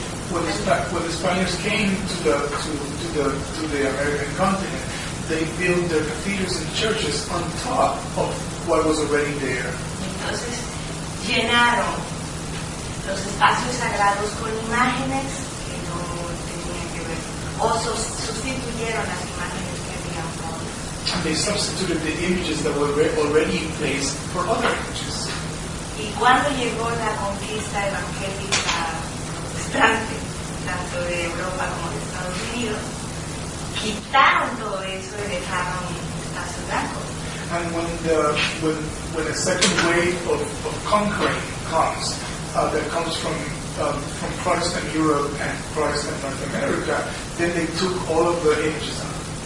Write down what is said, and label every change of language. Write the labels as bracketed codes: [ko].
[en] When the Spaniards came to the American continent, they built their cathedrals and churches on top of what was already there. [es] Entonces llenaron los espacios sagrados con imágenes que no tenían que ver, o sustituyeron las imágenes que había. [en] And they substituted the images that were already in place for other images. [es] Y cuando llegó la conquista evangélica protestante, tanto de Europa como de Estados Unidos, quitaron todo eso y dejaron espacios blancos. [en] And when a second wave of conquering comes, that comes from Protestant Europe and Protestant North America, then they took all of the images out.